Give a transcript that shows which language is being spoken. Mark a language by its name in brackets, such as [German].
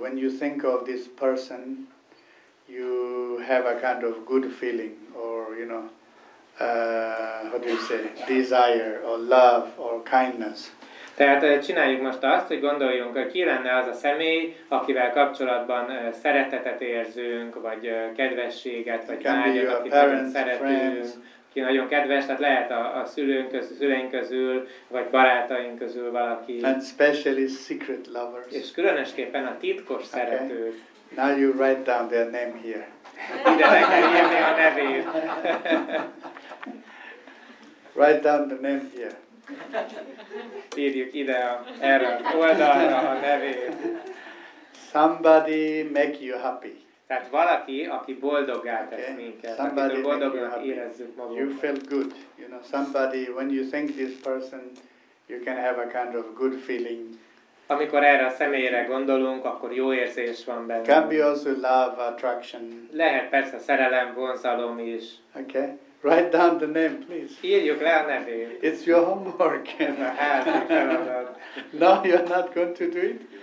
[English] When you think of this person, you have a kind of good feeling, or, you know, how do you say, desire, or love, or kindness. [Hungarian] Tehát csináljuk most azt, hogy gondoljunk, ki lenne az a személy, akivel kapcsolatban szeretetet érzünk, vagy kedvességet, vagy vágyat, akit nagyon szeretünk, ki nagyon kedves, tehát lehet a szülőnk közül, szüleink közül, vagy barátaink közül valaki. [English] And especially secret lovers. [Hungarian] És különösképpen a titkos okay. szeretők. [English] Now you write down their name here. [Hungarian] Ide le kell írni a nevét. [English] Write down the name here. [Hungarian] Írjuk ide erre oldalra a nevét. [English] Somebody make you happy. [Hungarian] Tehát valaki, aki boldoggá tesz okay. minket. [English] Somebody [Hungarian] akitől boldognak érezzük magunkat. [English] You feel good. You know, somebody, when you think this person, you can have a kind of good feeling. [Hungarian] Amikor erre a személyre gondolunk, akkor jó érzés van benne. [English] Can be also love, attraction. [Hungarian] Lehet persze szerelem, vonzalom is. [English] Okay. Write down the name, please. [Hungarian] Írjuk le a nevét. [English] It's your homework. No, you're not going to do it?